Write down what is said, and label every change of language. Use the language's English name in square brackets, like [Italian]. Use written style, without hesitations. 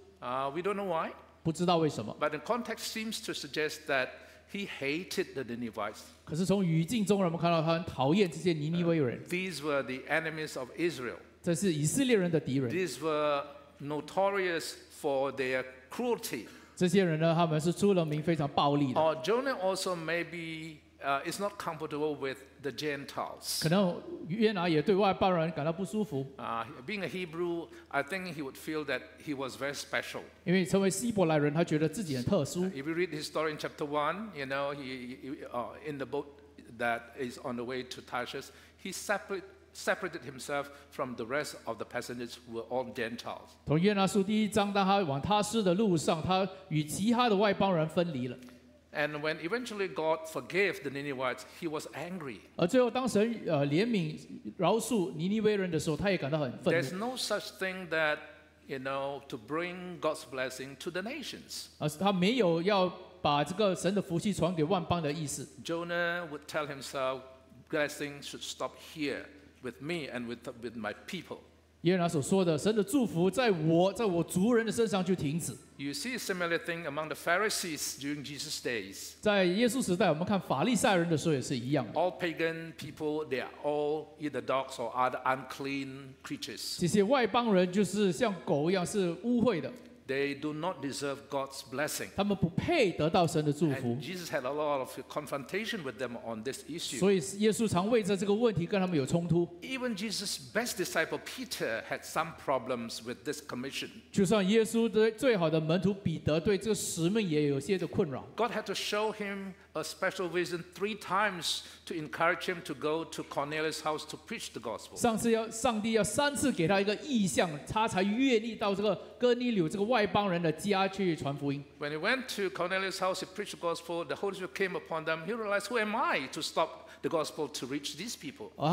[English] We don't know why. [Chinese] 不知道为什么。 [English] But the context seems to suggest that he hated the Ninevites. [Chinese] 可是从语境中，我们看到他很讨厌这些尼尼微人。 [English] These were the enemies of Israel. [Chinese] 这是以色列人的敌人。 [English] These were notorious for their cruelty. [Chinese] 这些人呢，他们是出了名非常暴力的。 [English] Jonah also maybe is not comfortable with the Gentiles. [Chinese] 可能约拿也对外邦人感到不舒服。 [English] Being a Hebrew, I think he would feel that he was very special. [Chinese] 因为成为希伯来人，他觉得自己很特殊。 [English] If you read his story in chapter 1, you know, he in the boat that is on the way to Tarshish, he separated himself from the rest of the passengers who were all Gentiles. [Chinese] 从约拿书第一章，当他往他斯的路上，他与其他的外邦人分离了。 [English] And when eventually God forgave the Ninevites, he was angry. [Chinese] 而最后，当神怜悯饶恕尼尼微人的时候，他也感到很愤怒。 [English] There's no such thing that you know to bring God's blessing to the nations. [Chinese] 而他没有要把这个神的福气传给万邦的意思。 [English] Jonah would tell himself, blessing should stop here. With me and with my people. [Chinese] 耶拿所说的，神的祝福在我族人的身上就停止。 [English] You see a similar thing among the Pharisees during Jesus' days. [Chinese] 在耶稣时代，我们看法利赛人的时候也是一样。 [English] All pagan people, they are all either dogs or other unclean creatures. [Chinese] 这些外邦人就是像狗一样，是污秽的。 [English] They do not deserve God's blessing. And Jesus had a lot of confrontation with them on this issue. [Chinese] 所以耶稣常为着这个问题跟他们有冲突。 [English] Even Jesus' best disciple Peter had some problems with this commission. [Chinese] 就像耶稣最好的门徒彼得对这个使命也有些的困扰。 [English] God had to show him a special vision three times to encourage him to go to Cornelius' house to preach the gospel. [Chinese] 上帝要三次给他一个异象，他才愿意到这个哥尼流这个外邦人的家去传福音。 [English] When he went to Cornelius' house, he preached the gospel. The Holy Spirit came upon them. He realized, "Who am I to stop the gospel to reach these people?"